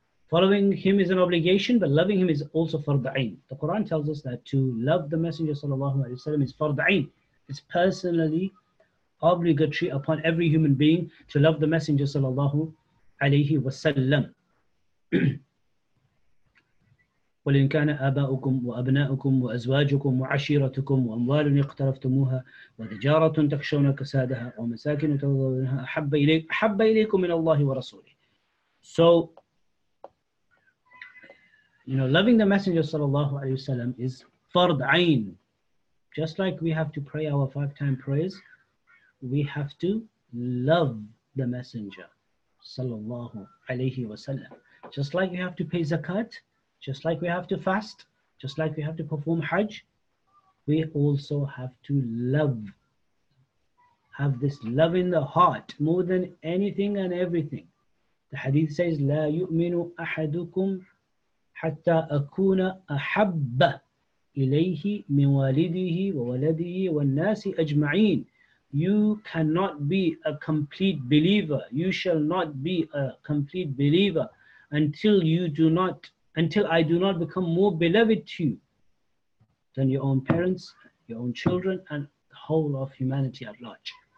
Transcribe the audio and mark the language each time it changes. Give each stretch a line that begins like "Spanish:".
English: Following him is an obligation, but loving him is also fard'ain. The Quran tells us that to love the Messenger sallallahu alayhi wasallam is fard'ain. It's personally obligatory upon every human being to love the Messenger sallallahu alayhi wasallam.
Arabic: قل إن كان آباؤكم وأبناؤكم وأزواجكم وعشيرتكم وأموال اقترفتموها وتجارة تخشون كسادها ومساكن ترضونها أحب إليكم من الله ورسوله.
English: So, you know, loving the Messenger sallallahu alayhi wasallam is fard ayn. Just like we have to pray our 5-time prayers, we have to love the Messenger sallallahu alayhi wasallam. Just like we have to pay zakat, just like we have to fast, just like we have to perform Hajj, we also have to love. Have this love in the heart more than anything and everything. The hadith says,
Arabic: لا يؤمن أحدكم حتى أكون أحب إليه من والده وولده والناس أجمعين.
English: You cannot be a complete believer. You shall not be a complete believer until I do not become more beloved to you than your own parents, your own children, and the whole of humanity at large.